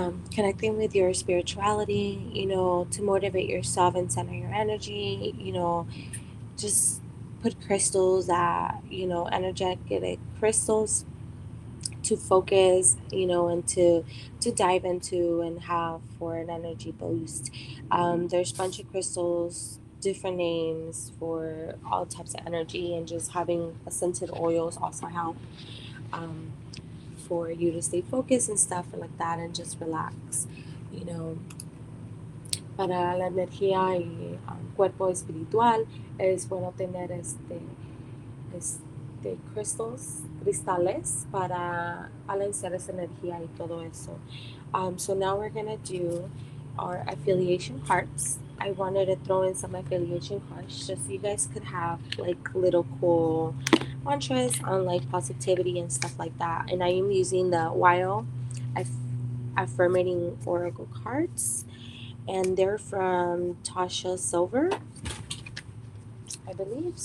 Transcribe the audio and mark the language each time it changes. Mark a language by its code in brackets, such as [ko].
[en] Connecting with your spirituality, you know, to motivate yourself and center your energy, you know, just put crystals that, you know, energetic crystals to focus, you know, and to dive into and have for an energy boost. There's a bunch of crystals, different names for all types of energy, and just having scented oils also help for you to stay focused and stuff like that and just relax, you know. [es] Para la energía y cuerpo espiritual es bueno tener este crystals, cristales para balancear esa energía y todo eso. [en] So now we're gonna do our affiliation cards. I wanted to throw in some affiliation cards just so you guys could have like little cool mantras on like positivity and stuff like that. And I am using the WIO affirmating oracle cards, and they're from Tasha Silver, I believe.